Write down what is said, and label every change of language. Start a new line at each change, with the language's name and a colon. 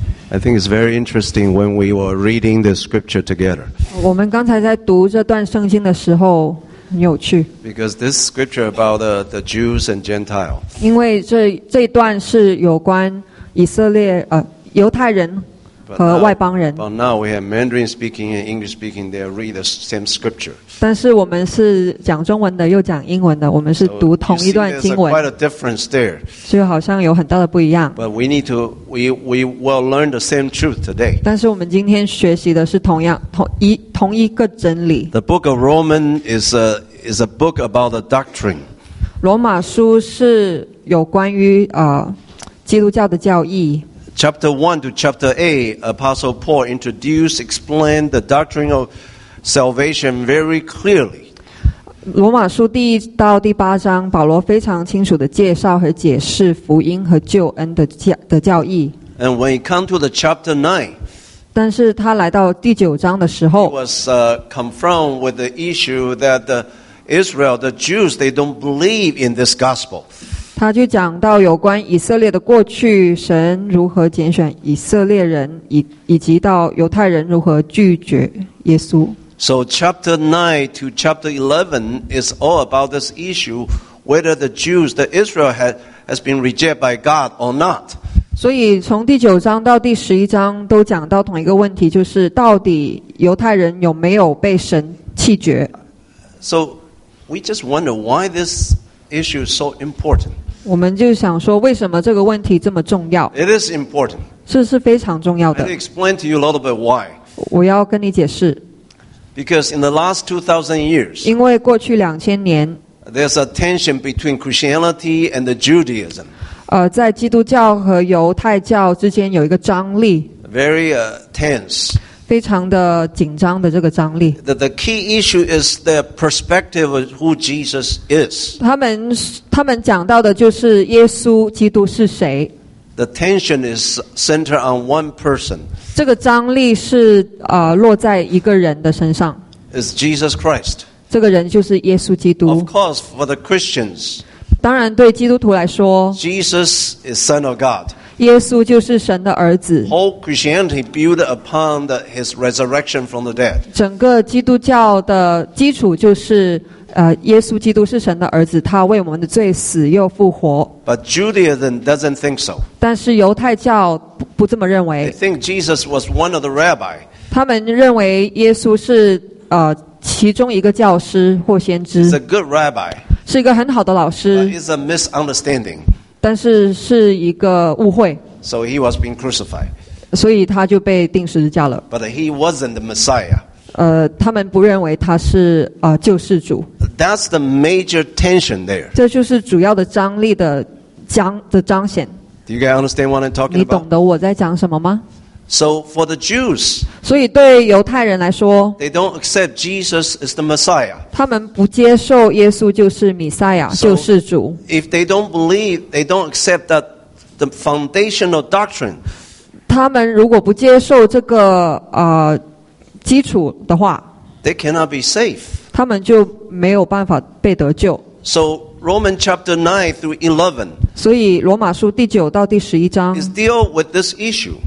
English: I think it's very interesting when we were reading the scripture together
Chinese: 我们刚才在读这段圣经的时候很有趣
English: Because this scripture about the Jews and Gentile
Chinese: 因为 这段是有关以色列犹太人和外邦人
English: But now we have Mandarin speaking and English speaking they read the same scripture
Chinese: 但是我们是讲中文的又讲英文的我们是读同一段经文
English: So you see there's quite a difference there
Chinese: 就好像有很大的不一样
English: But we will learn the same truth today
Chinese: 但是我们今天学习的是同一个真理
English: The book of Romans is a book about the doctrine
Chinese: 罗马书是有关于基督教的教义
English: chapter 1 to chapter 8, Apostle Paul introduced, explained the doctrine of salvation very clearly.
Chinese: 罗马书第一到第八章，保罗非常清楚地介绍和解释福音和救恩的教义。
English: And when he come to the chapter 9,
Chinese: 但是他来到第九章的时候
English: he was confronted with the issue that the Israel, the Jews, they don't believe in this gospel.
Chinese: 他就讲到有关以色列的过去，神如何拣选以色列人，以及到犹太人如何拒绝耶稣。
English: So chapter 9 to chapter 11 is all about this issue, whether the Jews, the Israel has been rejected by God or not.
Chinese: 所以从第九章到第十一章都讲到同一个问题，就是到底犹太人有没有被神弃绝。
English: So we just wonder why this issue is so important.
Chinese: 我们就想说为什么这个问题这么重要。
English: It is important.
Chinese: 是非常重要的。
English: I'll explain to you a little bit why.
Chinese: 我要跟你解释。
English: Because in the last 2,000 years,
Chinese: 因为过去两千年
English: there's a tension between Christianity and the Judaism.
Chinese: 在基督教和犹太教之间有一个张力
English: very tense.
Chinese: 非常的紧张的这个张力
English: The key issue is the perspective of who Jesus is.
Chinese: 他们讲到的就是耶稣基督是谁
English: The tension is centered on one person.
Chinese: 这个张力是落在一个人的身上。
English: It's Jesus Christ.
Chinese: 这个人就是耶稣基督。
English: Of course, for the Christians.
Chinese: 当然，对基督徒来说
English: ，Jesus is Son of God.
Chinese: 耶稣就是神的儿子。
English: Whole Christianity built upon his resurrection from the dead.
Chinese: 整个基督教的基础就是耶稣基督是神的儿子，他为我们的罪死又复活。
English: But Judaism doesn't think so.
Chinese: 但是犹太教不这么认为。
English: They think Jesus was one of the rabbi.
Chinese: 他们认为耶稣是其中一个教师或先知。
English: He's a good rabbi.
Chinese: 是一个很好的老师。
English: But it's a misunderstanding.
Chinese: 但是是一个误会。
English: So he was being crucified.
Chinese: 所以他就被钉十字架了。
English: But he wasn't the Messiah.
Chinese: 他们不认为他是救世主。
English: That's the major tension there.
Chinese: 这就是主要的张力的彰显。
English: Do you guys understand what I'm talking about?
Chinese: 你懂得我在讲什么吗？
English: So for the Jews,
Chinese: 所以对犹太人来说，
English: they don't accept Jesus is the Messiah.
Chinese: 他们不接受耶稣就是弥赛亚，救世主。
English: If they don't believe, they don't accept that the foundational doctrine.
Chinese: 他们如果不接受这个基础的话
English: ，They cannot be safe.
Chinese: 他们就没有办法被得救。
English: So Roman chapter 9 through 11.
Chinese: 所以罗马书第九到第十一章
English: is deal with this issue.